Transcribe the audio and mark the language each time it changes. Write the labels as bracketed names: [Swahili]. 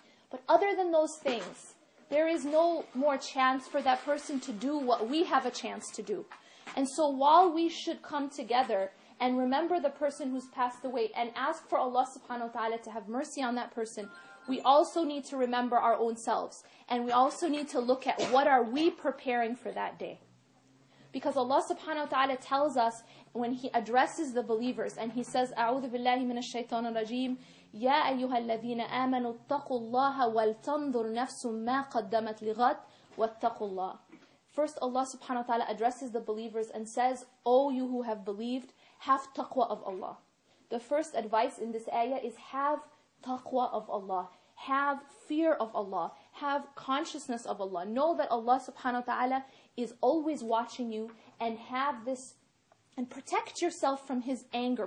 [English] But other than those things, there is no more chance for that person to do what we have a chance to do. And so while we should come together and remember the person who's passed away and ask for Allah subhanahu wa ta'ala to have mercy on that person, we also need to remember our own selves. And we also need to look at what are we preparing for that day. Because Allah subhanahu wa ta'ala tells us when He addresses the believers and He says, [Arabic] أَعُوذُ بِاللَّهِ مِنَ الشَّيْطَانِ الرَّجِيمِ يَا أَيُّهَا الَّذِينَ آمَنُوا اتَّقُوا اللَّهَ وَلْتَنْظُرْ نَفْسٌ مَا قَدَّمَتْ لِغَدْ وَاتَّقُوا اللَّهَ. [English] First, Allah subhanahu wa ta'ala addresses the believers and says, O you who have believed, have taqwa of Allah. The first advice in this ayah is have taqwa of Allah. Have fear of Allah. Have consciousness of Allah. Know that Allah subhanahu wa ta'ala is always watching you, and have this, and protect yourself from His anger.